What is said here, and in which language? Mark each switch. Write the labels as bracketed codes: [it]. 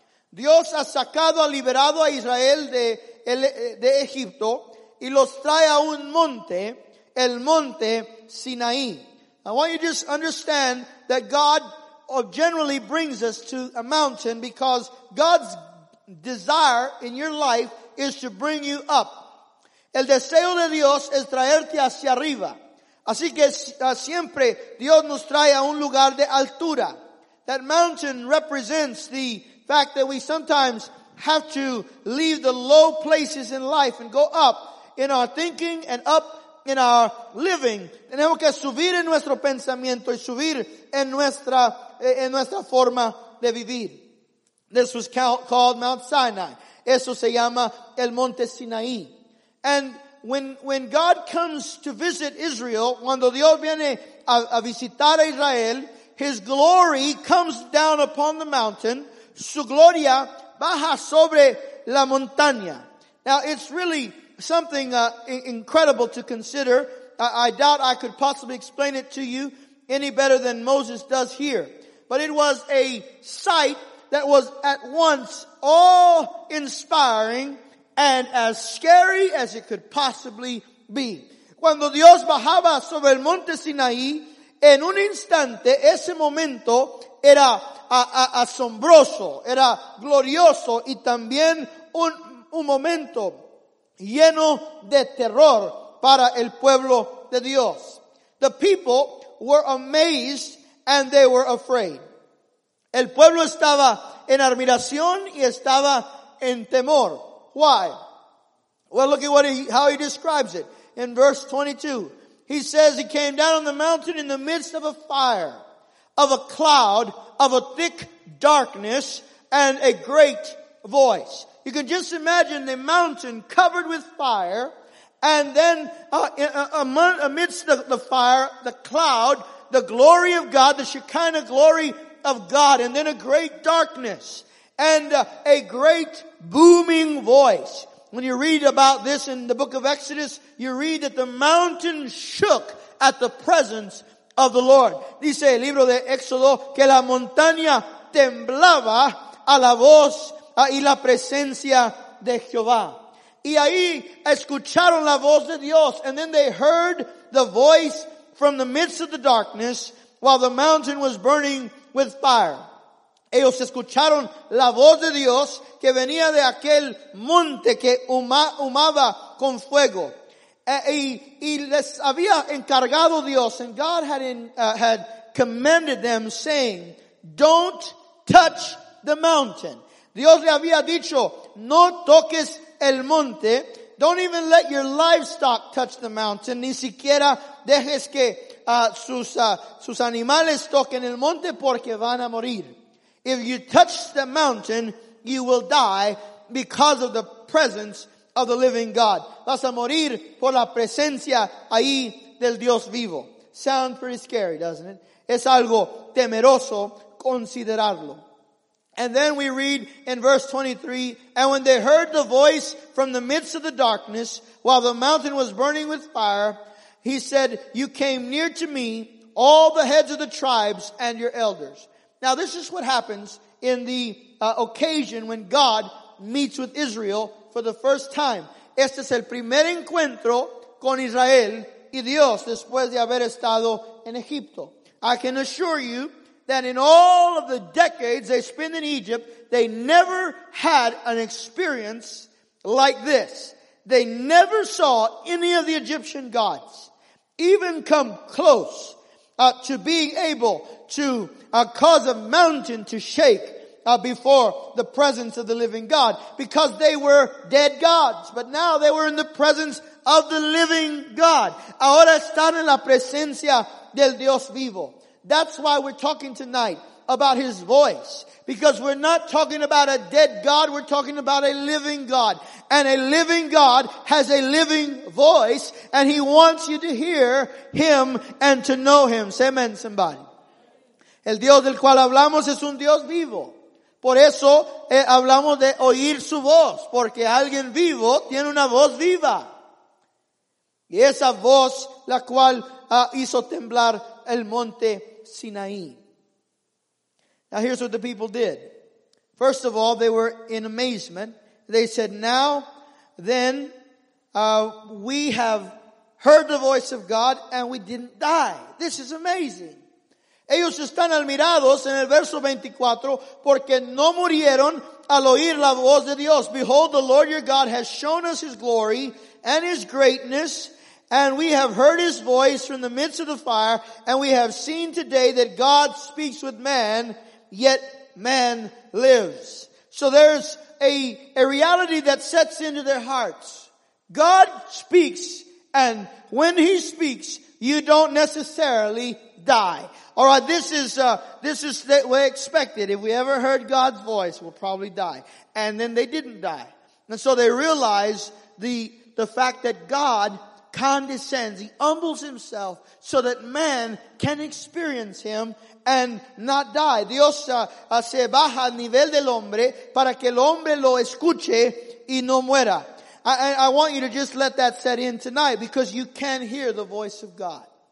[es] Dios ha sacado, ha liberado a Israel de Egipto y los trae a un monte, el monte Sinaí. [en] I want you to just understand that God generally brings us to a mountain because God's desire in your life is to bring you up. [es] El deseo de Dios es traerte hacia arriba. Así que siempre Dios nos trae a un lugar de altura. [en] That mountain represents the fact that we sometimes have to leave the low places in life and go up in our thinking and up in our living. [es] Tenemos que subir en nuestro pensamiento y subir en nuestra forma de vivir. [en] This was called Mount Sinai. [es] Eso se llama el Monte Sinaí. [en] And when God comes to visit Israel, [es] cuando Dios viene a visitar a Israel, [en] his glory comes down upon the mountain. [es] Su gloria baja sobre la montaña. [en] Now, it's really something incredible to consider. I doubt I could possibly explain it to you any better than Moses does here. But it was a sight that was at once awe-inspiring and as scary as it could possibly be. [es] Cuando Dios bajaba sobre el monte Sinaí, en un instante, ese momento era asombroso, era glorioso y también un momento lleno de terror para el pueblo de Dios. [en] The people were amazed and they were afraid. [es] El pueblo estaba en admiración y estaba en temor. [en] Why? Well, look at what how he describes it. In verse 22, he says he came down on the mountain in the midst of a fire, of a cloud, of a thick darkness, and a great voice. You can just imagine the mountain covered with fire, and then amidst the fire, the cloud, the glory of God, the Shekinah glory of God, and then a great darkness, and a great booming voice. When you read about this in the book of Exodus, you read that the mountain shook at the presence of the Lord. [es] Dice el libro de Éxodo que la montaña temblaba a la voz y la presencia de Jehová. Y ahí escucharon la voz de Dios. [en] And then they heard the voice from the midst of the darkness while the mountain was burning with fire. [es] Ellos escucharon la voz de Dios que venía de aquel monte que humaba con fuego. Y les había encargado Dios, [en] and God had had commanded them, saying, "Don't touch the mountain." [es] Dios le había dicho, "No toques el monte. [en] Don't even let your livestock touch the mountain. [es] Ni siquiera dejes que sus animales toquen el monte porque van a morir. [en] If you touch the mountain, you will die because of the presence of the living God." [es] Vas a morir por la presencia ahí del Dios vivo. [en] Sounds pretty scary, doesn't it? [es] Es algo temeroso considerarlo. [en] And then we read in verse 23, "And when they heard the voice from the midst of the darkness, while the mountain was burning with fire, he said, 'You came near to me, all the heads of the tribes and your elders.'" Now this is what happens in the occasion when God meets with Israel for the first time. [es] Este es el primer encuentro con Israel y Dios después de haber estado en Egipto. [en] I can assure you that in all of the decades they spend in Egypt, they never had an experience like this. They never saw any of the Egyptian gods even come close to being able to cause a mountain to shake before the presence of the living God, because they were dead gods. But now they were in the presence of the living God. [es] Ahora están en la presencia del Dios vivo. [en] That's why we're talking tonight about his voice. Because we're not talking about a dead God, we're talking about a living God. And a living God has a living voice, and he wants you to hear him and to know him. Say amen, somebody. [es] El Dios del cual hablamos es un Dios vivo. Por eso hablamos de oír su voz, porque alguien vivo tiene una voz viva. Y esa voz la cual hizo temblar el monte Sinaí. [en] Now here's what the people did. First of all, they were in amazement. They said, "Now then, we have heard the voice of God and we didn't die. This is amazing." [es] Ellos están admirados en el verso 24 porque no murieron al oír la voz de Dios. [en] "Behold, the Lord your God has shown us his glory and his greatness, and we have heard his voice from the midst of the fire, and we have seen today that God speaks with man, yet man lives." So there's a reality that sets into their hearts. God speaks, and when he speaks, you don't necessarily die. All right, this is the way expected. If we ever heard God's voice, we'll probably die. And then they didn't die. And so they realize the fact that God condescends. He humbles himself so that man can experience him and not die. [es] Dios se baja al nivel del hombre para que el hombre lo escuche y no muera. [en] I want you to just let that set in tonight, because you can hear the voice of God.